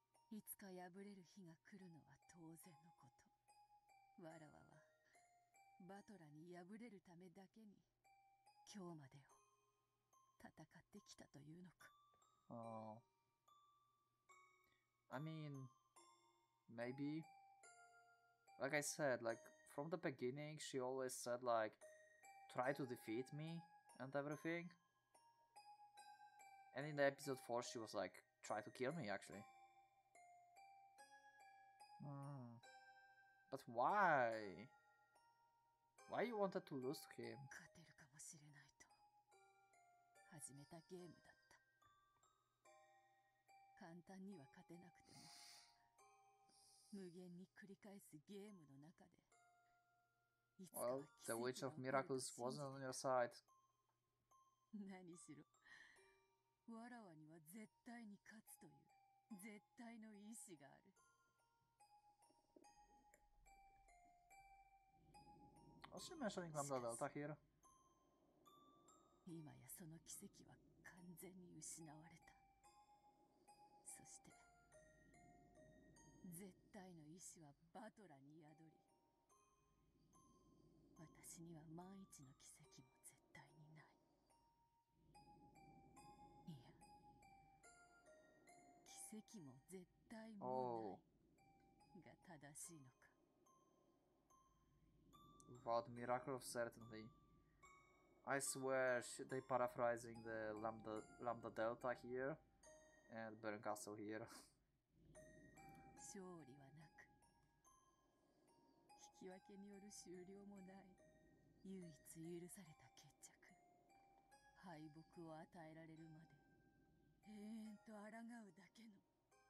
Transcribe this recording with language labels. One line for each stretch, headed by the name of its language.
Japanese: いつか破れる日が来るのは当然のこと。わらわはバトラに破れるためだけに今日までを戦ってきたというのか。
English: I mean, maybe. Like I said, like from the beginning, she always said like, try to defeat me and everything. And in the episode 4, she was like, try to kill me actually. But why? Why you wanted to lose to him?
Japanese: 勝てるかもしれないと始めたゲームだった。簡単には勝てなくても無限に繰り返すゲームの中で、いつか
English: Well, the Witch of Miracles wasn't on your side.
Japanese: 何しろわらわには絶対に勝つという絶対の意志がある。おしめしょにかんだだ、たひえる。今やその奇跡は完全に失われた。そして絶対の意志はバトラに宿り、私には万一の奇跡も絶対にない。いや、奇跡も絶対もないが正しいのか。
English: Without miracle of certainty, I swear they paraphrasing the lambda delta here and burn castle here.
Japanese: 勝利はなく、引き分けによる終了もない。唯一許された決着、敗北を与えられるまで永遠と抗うだけのゲーム。